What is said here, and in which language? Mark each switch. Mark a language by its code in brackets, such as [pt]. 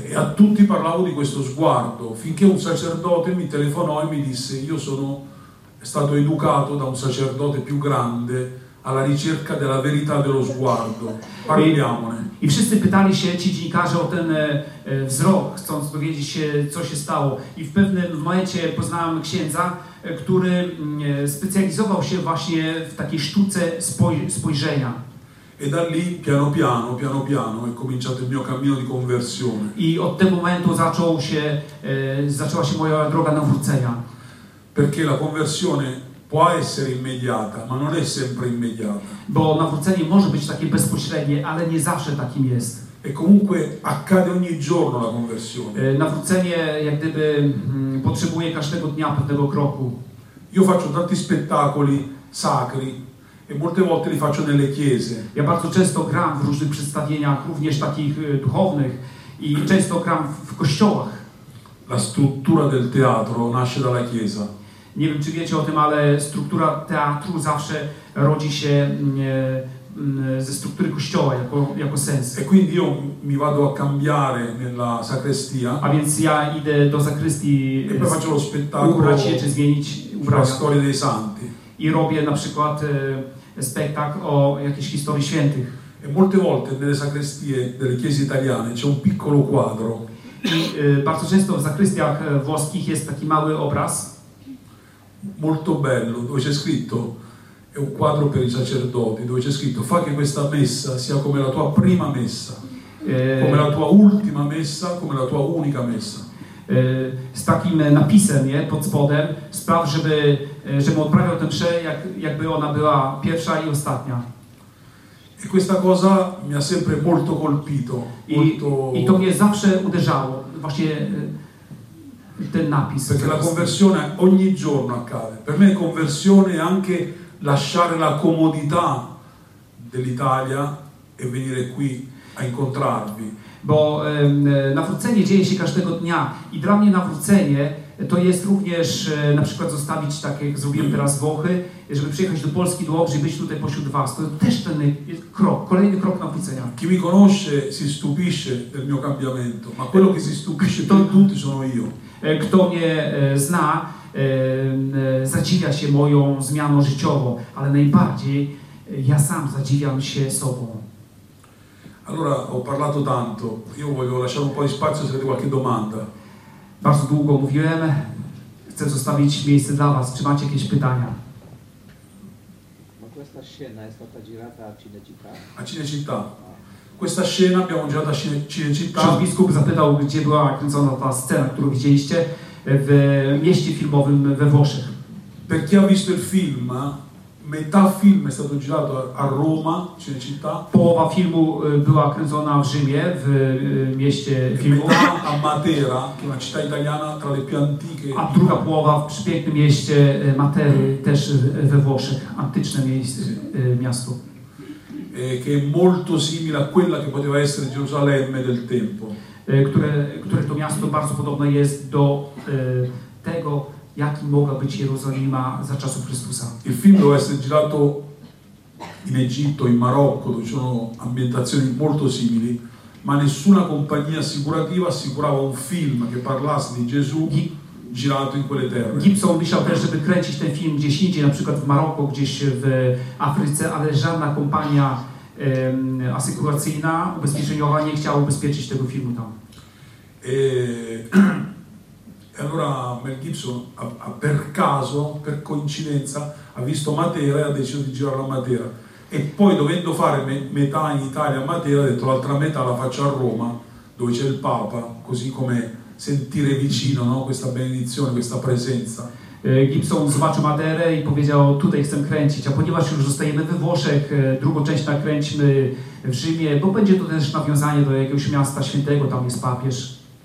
[it] E a tutti parlavo di questo sguardo, finché un sacerdote mi telefonò e mi disse: io sono stato educato da un sacerdote più grande alla ricerca della verità dello sguardo. Parliamone. [pl] I wszyscy pytali się, ci dziennikarze, o ten wzrok, chcąc dowiedzieć się, co się stało. I w pewnym momencie poznałem księdza, który specjalizował się właśnie w takiej sztuce spojrzenia. [it] E da lì, piano piano, è cominciato il mio cammino di conversione. [pl] I od tego momentu zaczęła się moja droga nawrócenia. [it] Perché la conversione può essere immediata, ma non è sempre immediata. [pl] Bo nawrócenie może być takie bezpośrednie, ale nie zawsze takim jest. [it] E comunque accade ogni giorno la conversione. [pl] Nawrócenie, jak gdyby, potrzebuje każdego dnia pewnego kroku. [it] Io faccio tanti spettacoli sacri, e molte volte li faccio nelle chiese. [pl] Ja bardzo często gram w różnych przedstawieniach, również takich duchownych, i często gram w kościołach. [it] La struttura del teatro nasce dalla chiesa. [pl] Nie wiem, czy wiecie o tym, ale struktura teatru zawsze rodzi się ze struktury kościoła jako sens. [it] E quindi io mi vado a cambiare nella sacrestia. [pl] A więc ja idę do sacrestii. [it] E poi faccio lo spettacolo. [pl] Ubrać się, czy zmienić ubrania. [it] La storia dei santi. [pl] I robię na przykład spektakl o jakiejś historii świętych. [it] E molte volte nelle sacrestie delle chiese italiane c'è un piccolo quadro. [pl] I bardzo często w sacrestiach włoskich jest taki mały obraz. [it] Molto bello, dove c'è scritto, è un quadro per i sacerdoti, dove c'è scritto: fa che questa messa sia come la tua prima messa, come la tua ultima messa, come la tua unica messa. [pl] Z takim napisem, nie, pod spodem, spraw, żeby odprawiał tę mszę, jakby ona była pierwsza i ostatnia. [it] E questa cosa mi ha sempre molto colpito. [pl] I to mnie zawsze uderzało, właśnie ten napis. [it] Perché la conversione ogni giorno accade. Per me conversione è anche lasciare la comodità dell'Italia e venire qui a incontrarvi. [pl] Bo nawrócenie dzieje się każdego dnia i dla mnie nawrócenie to jest również na przykład zostawić tak, jak zrobiłem teraz Włochy, żeby przyjechać do Polski, do Łodzi, być tutaj pośród was. To też ten krok, kolejny krok nawrócenia. [it] Chi mi conosce si stupisce del mio cambiamento, ma quello che si stupisce di tutti sono io. [pl] Kto mnie zna, zadziwia się moją zmianą życiową, ale najbardziej ja sam zadziwiam się sobą. [it] Allora, ho parlato tanto. Io voglio lasciare un po' di spazio se avete qualche domanda. [pl] Bardzo długo mówiłem. Chcę zostawić miejsce dla was. Czy macie jakieś pytania? [it] Ma questa scena è stata girata a Cinecittà? A Cinecittà. Questa scena abbiamo girato a Cinecittà. [pl] Ksiądz biskup zapytał, gdzie była kręcona ta scena, którą widzieliście w mieście filmowym we Włoszech. [it] Per chi ha visto il film, metà film è stato girato a Roma, Cinecittà. [pl] Połowa filmu była kręcona w Rzymie, w mieście filmu. [it] Metà a Matera, che è una città italiana tra le più antiche. [pl] A druga połowa w przepięknym mieście Matery, też we Włoszech, antyczne miejsce, miasto. [it] Che è molto simile a quella che poteva essere Gerusalemme del tempo. [pl] Które to miasto bardzo podobne jest do tego, jakim mogła być Jerozolima za czasów Chrystusa. [it] Il film doveva essere girato in Egitto, in Marocco, dove ci sono ambientazioni molto simili, ma nessuna compagnia assicurativa assicurava un film che parlasse di Gesù girato in quelle terre. [pl] Gibson myślał też, żeby kręcić ten film gdzieś indziej, na przykład w Maroku, gdzieś w Afryce, ale żadna kompania asekuracyjna, ubezpieczeniowa nie chciała ubezpieczyć tego filmu tam. [it] E allora Mel Gibson a per caso, per coincidenza, ha visto Matera e ha deciso di girare a Matera. E poi dovendo fare metà in Italia a Matera, ha detto l'altra metà la faccio a Roma, dove c'è il Papa, così come sentire vicino, no, questa benedizione, questa presenza. [pl] Gibson zobaczył Maderę i powiedział, tutaj chcę kręcić, a ponieważ już zostajemy we Włoszech, drugą część nakręćmy w Rzymie, bo będzie to też nawiązanie do jakiegoś miasta świętego, tam jest papież.